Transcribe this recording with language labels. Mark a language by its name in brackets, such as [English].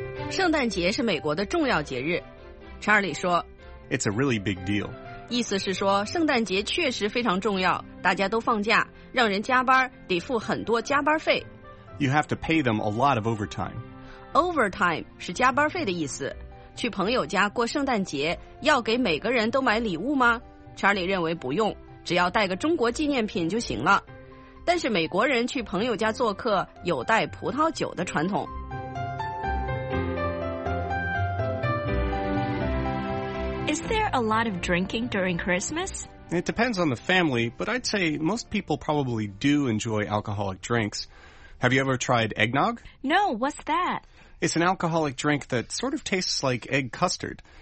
[Chinese] 圣诞节是美国的重要节日。查理说 [English] It's a really big deal. [Chinese] 意思是说圣诞节确实非常重要，大家都放假，让人加班得付很多加班费。 [English] You have to pay them a lot of overtime. [Chinese] Overtime 是加班费的意思。去朋友家过圣诞节要给每个人都买礼物吗？查理认为不用，只要带个中国纪念品就行了。但是美国人去朋友家做客有带葡萄酒的传统。 [English] Is there a lot of drinking during Christmas? It depends on the family, but I'd say most people probably do enjoy alcoholic drinks. Have you ever tried eggnog? No, what's that? It's an alcoholic drink that sort of tastes like egg custard.